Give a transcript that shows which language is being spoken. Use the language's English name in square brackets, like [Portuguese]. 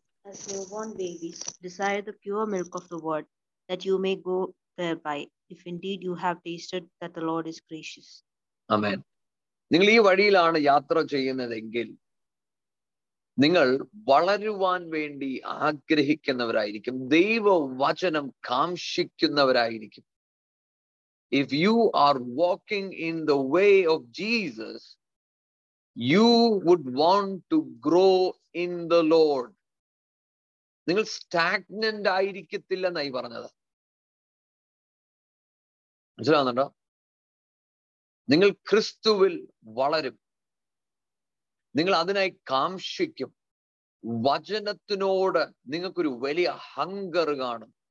[English] As newborn babies, desire the pure milk of the word, that you may grow thereby, if indeed you have tasted that the Lord is gracious. Amen. [Malayalam] നിങ്ങൾ ഈ വഴിയിലാണ് യാത്ര ചെയ്യുന്നതെങ്കിൽ നിങ്ങൾ വളരുവാൻ വേണ്ടി ആഗ്രഹിക്കുന്നവരായിരിക്കും, ദൈവവചനം കാംക്ഷിക്കുന്നവരായിരിക്കും. [English] If you are walking in the way of Jesus, you would want to grow in the Lord. [Malayalam] നിങ്ങൾ സ്റ്റാഗ്നന്റ് ആയിരിക്കത്തില്ല എന്നായി പറഞ്ഞത് മനസ്സിലാവുന്നുണ്ടോ? നിങ്ങൾ ക്രിസ്തുവിൽ വളരും, നിങ്ങൾ അതിനായി കാംക്ഷിക്കും, വചനത്തിനോട് നിങ്ങൾക്കൊരു വലിയ ഹങ്കർ കാണും.